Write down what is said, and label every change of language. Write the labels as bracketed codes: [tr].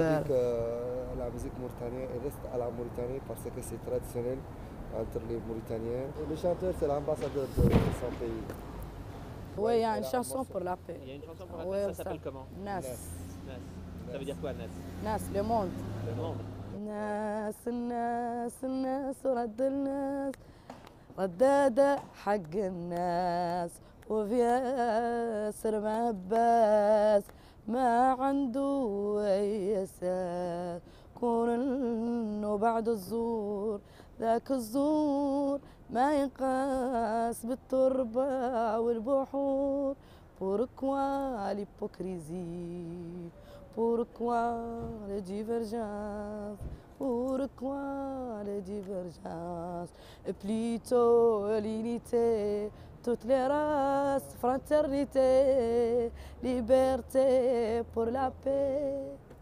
[fr] La musique mauritanienne reste à la Mauritanie parce que c'est traditionnel entre les Mauritaniens. Le chanteur, c'est l'ambassadeur de son pays. Oui, il y a une chanson pour la paix. Il y a une chanson pour la paix, ça s'appelle comment? Nas. Ça veut dire quoi, Nas? Nas, le monde. Le monde. [mey] ناس الناس الناس ورد الناس ردادة حق الناس وفي ياسر ما باس ما عنده أي ساس كون إنه بعد الزور ذاك الزور ما ينقاس بالتربة والبحور بوركوان ليبوكريزي بوركوان لديفرجانس [fr] Pourquoi les divergences? Et plutôt l'unité, toutes les races, fraternité, liberté pour la paix.